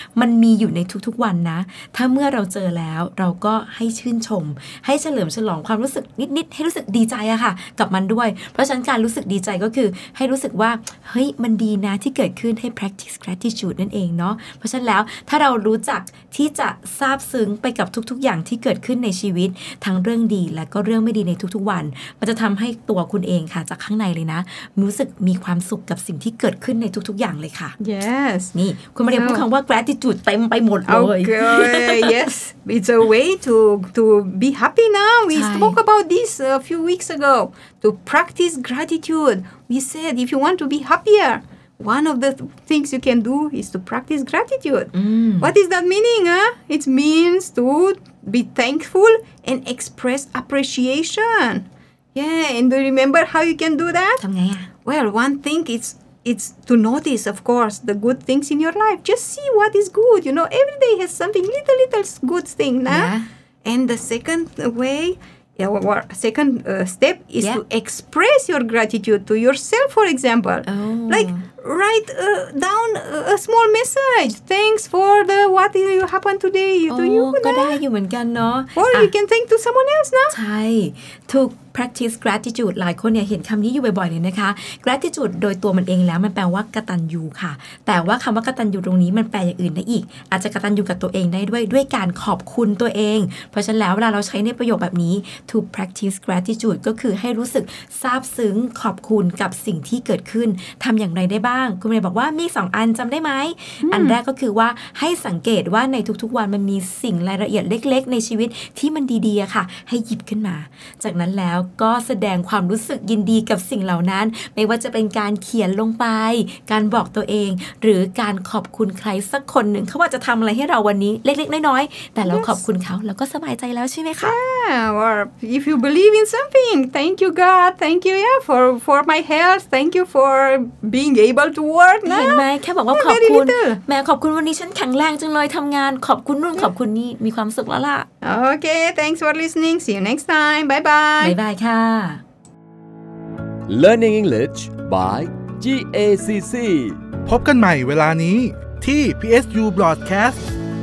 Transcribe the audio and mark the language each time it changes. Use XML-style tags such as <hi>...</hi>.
<th>มันมีอยู่ในทุกๆวันนะถ้าเมื่อเราเจอแล้วเราก็ให้ชื่นชมให้เฉลิมฉลองความรู้สึกนิดๆให้รู้สึกดีใจอะค่ะกับมันด้วยเพราะฉะนั้นการรู้สึกดีใจก็คือให้รู้สึกว่าเฮ้ยมันดีนะที่เกิดขึ้นให้ practice gratitude นั่นเองเนาะเพราะฉะนั้นแล้วถ้าเรารู้จักที่จะซาบซึ้งไปกับทุกๆอย่างที่เกิดขึ้นในชีวิตทั้งเรื่องดีและก็เรื่องไม่ดีในทุกๆวันมันจะทำให้ตัวคุณเองค่ะจากข้างในเลยนะรู้สึกมีความสุขกับสิ่งที่เกิดขึ้นในทุกๆอย่างเลยค่ะ</th> <en>Yes</en> <th>นี่คุณมาเรียนพูดคำว่า gratitude เต็มไปหมดเลย</th> <en>Okay Yes it's a way to be happy now we spoke about this a few weeks ago to practice gratitude we said if you want to be happierOne of the things you can do is to practice gratitude. What is that meaning? It means to be thankful and express appreciation. Yeah, and do you remember how you can do that? Well, one thing is to notice, of course, the good things in your life. Just see what is good. You know, every day has something, little good thing. Nah? Yeah. And the second way... Second step is to express your gratitude to yourself, for example. Oh. Like, write down a small message. Thanks for the what you happened today. Do you</en> <th>know? ก็ได้อยู่เหมือนกันเนาะ</th> <en>Or you can thank to someone else นะ</en> <th>ใช่ถูก practice gratitude หลายคนเนี่ยเห็นคำนี้อยู่บ่อยๆเลยนะคะ gratitude โดยตัวมันเองแล้วมันแปลว่ากตัญญูค่ะแต่ว่าคำว่ากตัญญูตรงนี้มันแปลอย่างอื่นได้อีกอาจจะกตัญญูกับตัวเองได้ด้วยการขอบคุณตัวเองเพราะฉะนั้นแล้วเวลาเราใช้ในประโยคแบบนี้</th> <en>to practice gratitude</en> <th>ก็คือให้รู้สึกซาบซึ้งขอบคุณกับสิ่งที่เกิดขึ้นทำอย่างไรได้บ้างคุณเมย์บอกว่ามี2อันจำได้ไหม อันแรกก็คือว่าให้สังเกตว่าในทุกๆวันมันมีสิ่งรายละเอียดเล็กๆในชีวิตที่มันดีๆค่ะให้หยิบขึ้นมาจากนั้นแล้วก็แสดงความรู้สึกยินดีกับสิ่งเหล่านั้นไม่ว่าจะเป็นการเขียนลงไปการบอกตัวเองหรือการขอบคุณใครสักคนหนึ่งเขาว่าจะทำอะไรให้เราวันนี้เล็กๆน้อยๆแต่เราขอบคุณเขาแล้วก็สบายใจแล้วใช่ไหมคะ</th> <en>Or if you believe in something thank you God thank you yeah for my health thank you forfor being able to work</en> <th>เห็นไหมแค่บอกว่าขอบคุณแม่ขอบคุณวันนี้ฉันแข็งแรงจังเลยทำงานขอบคุณนู่นขอบคุณนี่มีความสุขแล้วล่ะ</th> <en>โอเค thanks for listening see you next time bye bye bye bye ค่ะ Learning English by GACC</en> <th>พบกันใหม่เวลานี้ที่ PSU Broadcast</th>